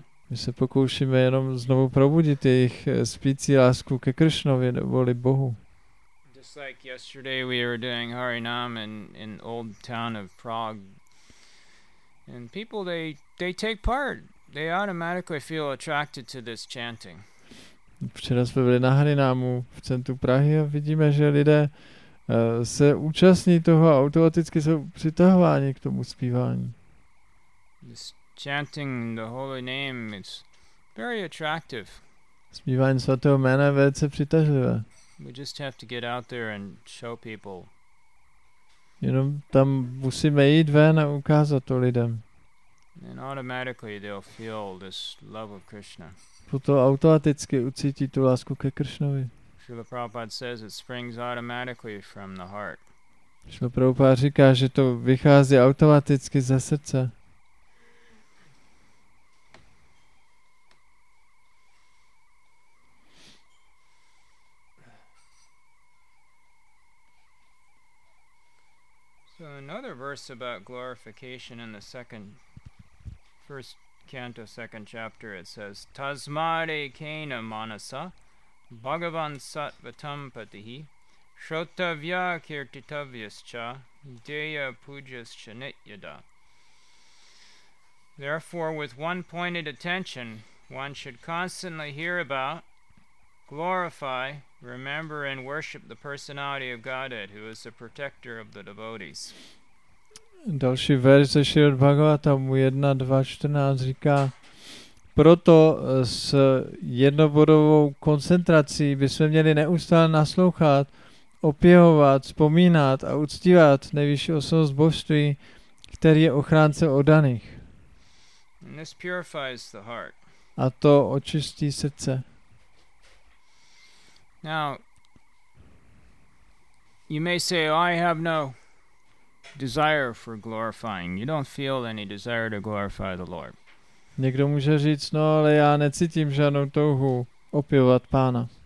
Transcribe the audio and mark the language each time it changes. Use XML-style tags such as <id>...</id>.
<cs>My se pokoušíme jenom znovu probudit jejich spící lásku ke Kršnovi neboli Bohu.</cs> <en>Like yesterday we were doing Harinam in old town of Prague and people they take part, they automatically feel attracted to this chanting.</en> <cs>Včera jsme byli na Harinamu v centru Prahy a vidíme, že lidé se účastní toho a automaticky jsou přitahováni k tomu zpívání.</cs> <en>This chanting the holy name is very attractive.</en> <cs>Zpívání svatého jména je velice přitažlivé.</cs> <en>We just have to get out there and show people.</en> <cs>Jenom tam musíme jít ven a ukázat to lidem.</cs> <en>And automatically they'll feel this love of Krishna.</en> <cs>Potom automaticky ucítí tu lásku ke Krishnovi.</cs> <en>Srila Prabhupada says it springs automatically from the heart.</en> <cs>Srila Prabhupada říká, že to vychází automaticky ze srdce.</cs> <en>So another verse about glorification in the second, first canto, second chapter, it says,</en> <sa>Tasmade kena manasa bhagavan sattvatam patihi shrotavya kirtitavyascha deya pujascha nityada.</sa> <en>Therefore, with one-pointed attention, one should constantly hear about, glorify, remember and worship the personality of Godhead, who is the protector of the devotees.</en> <cs>Další verze Šrila Bhagavatamu 1.2.14 říká, proto s jednobodovou koncentrací bychom měli neustále naslouchat, opěhovat, vzpomínat a uctívat nejvyšší osobnost božství, který je ochránce oddaných.</cs> <en>And this purifies the heart.</en> <cs>A to očistí srdce.</cs> <en>Now, you may say, oh, I have no desire for glorifying. You don't feel any desire to glorify the Lord.</en> <cs>Někdo může říct, no, ale já necítím žádnou touhu opěvovat Pána.</cs>